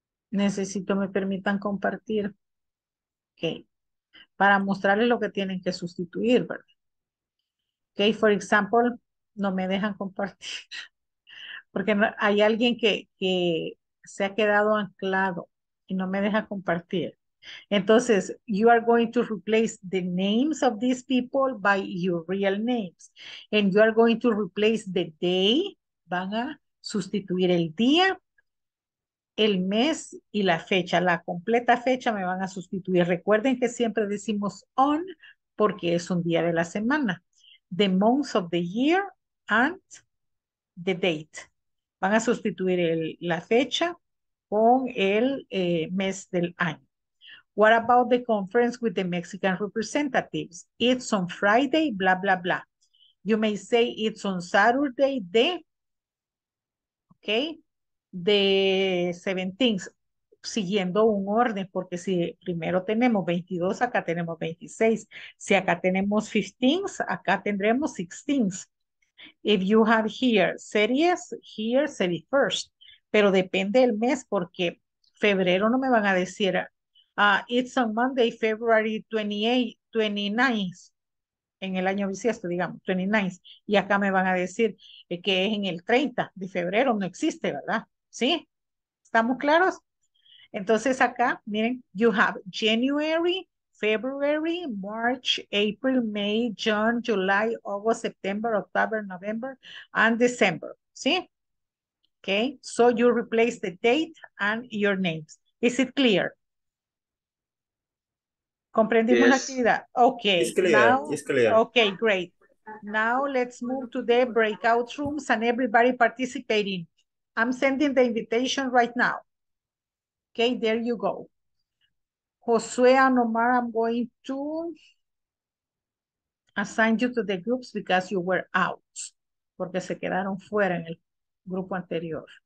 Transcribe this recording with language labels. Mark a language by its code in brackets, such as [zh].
[es] Necesito, me permitan compartir. Ok. Para mostrarles lo que tienen que sustituir, ¿verdad? [en] Ok, for example, [es] no me dejan compartir. Porque no, hay alguien que se ha quedado anclado. Y no me deja compartir. [en] Entonces, you are going to replace the names of these people by your real names. And you are going to replace the day. [es] Van a sustituir el día, el mes y la fecha. La completa fecha me van a sustituir. Recuerden que siempre decimos on porque es un día de la semana. [en] The months of the year and the date. [es] Van a sustituir la fecha con el mes del año. [en] What about the conference with the Mexican representatives? It's on Friday, blah, blah, blah. You may say it's on Saturday, the, okay, the 17th, [es] siguiendo un orden, porque si primero tenemos 22, acá tenemos 26. Si acá tenemos 15, acá tendremos 16. [en] If you have here series, here 31st. [es] Pero depende del mes, porque febrero no me van a decir, it's on Monday, February 29th. En el año bisiesto, digamos, 29th. Y acá me van a decir que es en el 30 de febrero. No existe, ¿verdad? ¿Sí? ¿Estamos claros? Entonces acá, miren, [en] you have January, February, March, April, May, June, July, August, September, October, November, and December. ¿Sí? Okay, so you replace the date and your names. Is it clear? [es] ¿Comprendimos la actividad? Okay. [en] It's clear. Now, it's clear. Okay, great. Now let's move to the breakout rooms and everybody participating. I'm sending the invitation right now. Okay, there you go. Josue and Omar, I'm going to assign you to the groups because you were out. [es] Porque se quedaron fuera en el grupo anterior.